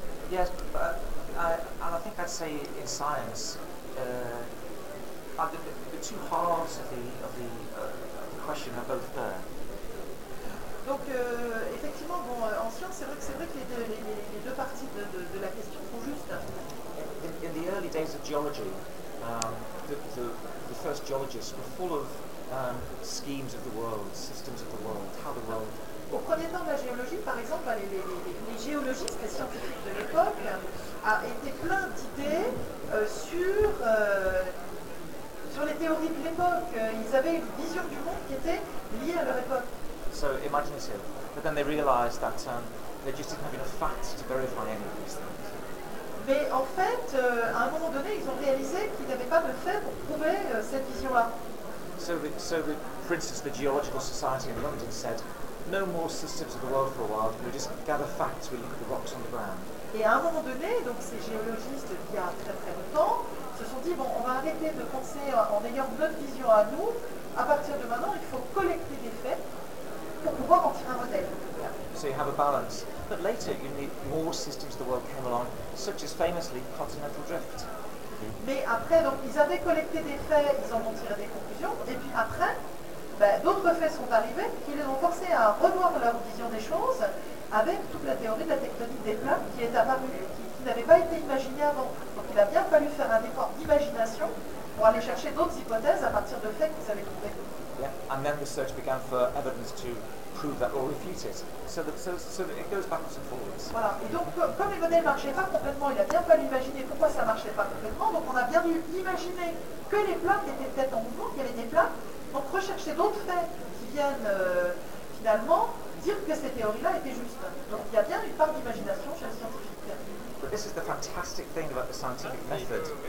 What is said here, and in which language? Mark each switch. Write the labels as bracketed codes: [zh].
[en] Yes, and I think I'd say in science, the two halves of the question are both there. [fr] Donc, effectivement, bon, en science, c'est vrai que les deux parties de la question sont justes. [en] In the early days of geology, the first geologists were full of schemes of the world, systems of the world, how the world. [fr] Au premier temps de la géologie, par exemple, les géologistes, les scientifiques de l'époque, étaient pleins d'idées sur les théories de l'époque. Ils avaient une vision du monde qui était liée à leur époque. [en] So imaginative, but then they realized that they just didn't have enough facts to verify any of these things. [fr] Mais en fait, à un moment donné, ils ont réalisé qu'ils n'avaient pas de faits pour prouver cette vision-là. [en] So, for instance, the Geological Society in London said, no more systems of the world for a while, we just gather facts, we look at the rocks on the ground. [fr] Et à un moment donné, donc ces géologistes, il y a très très longtemps, se sont dit, bon, on va arrêter de penser en ayant notre vision à nous, à partir de maintenant, il faut collecter des faits pour pouvoir en tirer un modèle. [en] Yeah. So you have a balance. But later, you need more systems of the world came along, such as famously, continental drift. [fr] Mais après, donc, ils avaient collecté des faits, ils en ont tiré des conclusions, et puis après, ben, d'autres faits sont arrivés qui les ont forcés à revoir leur vision des choses avec toute la théorie de la tectonique des plaques qui est apparue, qui n'avait pas été imaginée avant. Donc il a bien fallu faire un effort d'imagination pour aller chercher d'autres hypothèses à partir de faits qu'ils avaient trouvés. [en] Yeah. And then research began for evidence to prove that or refute it. So that it goes backwards and forwards. [fr] Voilà. Et donc, comme les modèles ne marchaient pas complètement, il a bien fallu imaginer pourquoi ça ne marchait pas complètement. Donc, on a bien dû imaginer que les plaques étaient peut-être en mouvement, qu'il y avait des plaques. Donc, rechercher d'autres faits qui viennent finalement dire que ces théories-là étaient justes. Donc, il y a bien une part d'imagination chez les scientifiques. [en] But this is the fantastic thing about the scientific method.